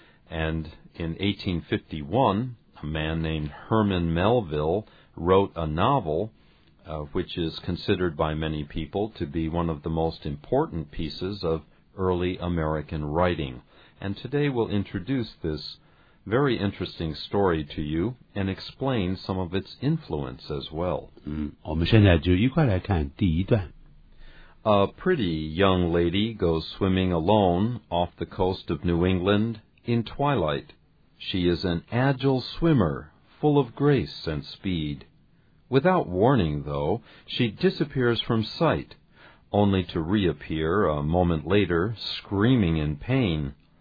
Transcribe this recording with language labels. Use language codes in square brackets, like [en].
[en] And in 1851, a man named Herman Melville wrote a novel, which is considered by many people to be one of the most important pieces of early American writing. And today we'll introduce this very interesting story to you and explain some of its influence as well. [zh] 我们现在就一块来看第一段。 [en] A pretty young lady goes swimming alone off the coast of New England in twilight. She is an agile swimmer, full of grace and speed. Without warning, though, she disappears from sight, only to reappear a moment later, screaming in pain.